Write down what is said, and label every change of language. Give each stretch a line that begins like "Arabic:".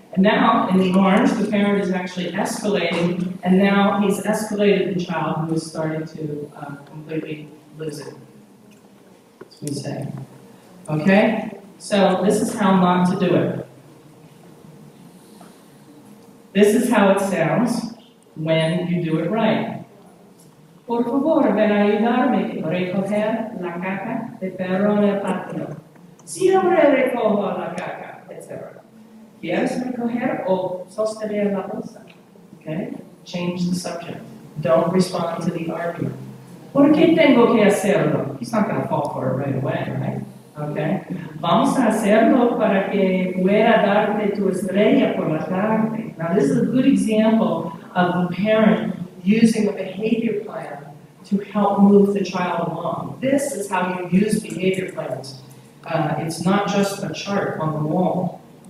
English: And now, in the orange, the parent is actually escalating, and now he's escalated the child who is starting to completely lose it, as we say. Okay? So, this is how not to do it. This is how it sounds when you do it right.
Spanish: Por favor, ven a ayudarme a recoger la caca de perro en el patio. Siempre recojo la caca, etc. ¿Quieres recoger o sostener la bolsa?
English: Okay, change the subject. Don't respond to the argument.
Spanish: ¿Por qué tengo que hacerlo?
English: He's not going to fall for it right away, right? Okay.
Spanish: Vamos a hacerlo para que pueda darte tu estrella por la tarde.
English: Now, this is a good example of a parent using a behavior plan to help move the child along. This is how you use behavior plans. It's not just a chart on the wall.